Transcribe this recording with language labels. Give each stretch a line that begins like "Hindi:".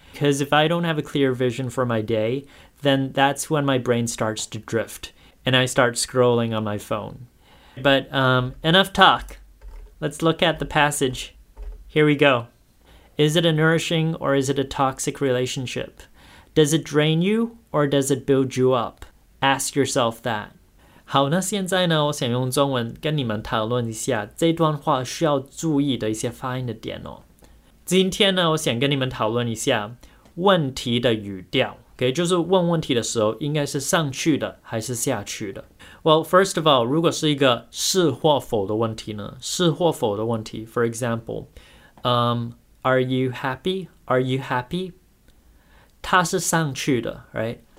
English: Because if I don't have a clear vision for my day, then that's when my brain starts to drift and I start scrolling on my phone. But enough talk. Let's look at the passage. Here we go. Is it a nourishing or is it a toxic relationship? Does it drain you or does it build you up? Ask yourself that.
Chinese: 好，那现在呢，我想用中文跟你们讨论一下这段话需要注意的一些发音的点哦。今天呢，我想跟你们讨论一下问题的语调。
English: Okay,
Chinese: 就是问问题的时候应该是上去的还是下去的。
English: Well, first of all,
Chinese: 如果是一个是或否的问题呢，是或否的问题。
English: For example, are you happy? Are you happy?
Chinese: 它是上去的 ，
English: right?